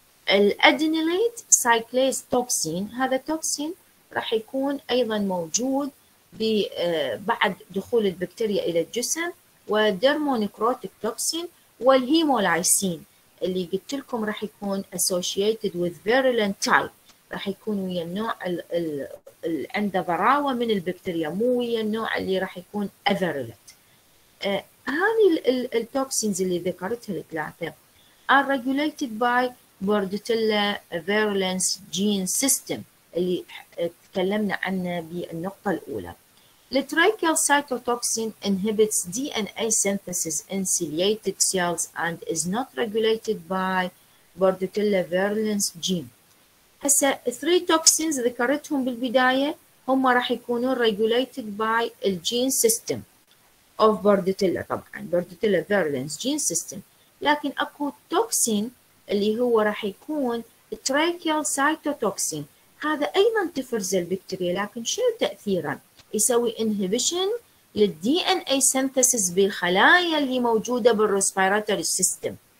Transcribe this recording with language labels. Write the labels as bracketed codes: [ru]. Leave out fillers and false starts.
[ar] الادينيليت سايكليز توكسين، هذا التوكسين راح يكون ايضا موجود بعد دخول البكتيريا الى الجسم، والديرمونيكروتيك توكسين والهيمولايسين اللي قلت لكم راح يكون [en] associated with virulent type، [ar] راح يكون ويا النوع اللي عنده براوة من البكتيريا، مو ويا النوع اللي راح يكون افيرولنت. هذه التوكسينز اللي ذكرتها لك لعثة [en] are regulated by Bordetella virulence gene system [ar] اللي تكلمنا عنه بالنقطة الأولى. [en] التراكيال cytotoxin inhibits DNA synthesis in ciliated cells and is not regulated by Bordetella virulence gene. [ar] هسا 3 توكسينز ذكرتهم بالبداية هم راح يكونوا [en] regulated by [ar] الجين سيستم [en] of Bordetella، [ar] طبعا [en] Bordetella virulence gene system، [ar] لكن اكو توكسين اللي هو راح يكون التراكيال سايتوتوكسين، هذا ايضا تفرز البكتيريا لكن شنو تاثيره؟ يسوي انهبيشن للدي ان اي سينثيسيس بالخلايا اللي موجوده بالريسبيراتوري سيستم،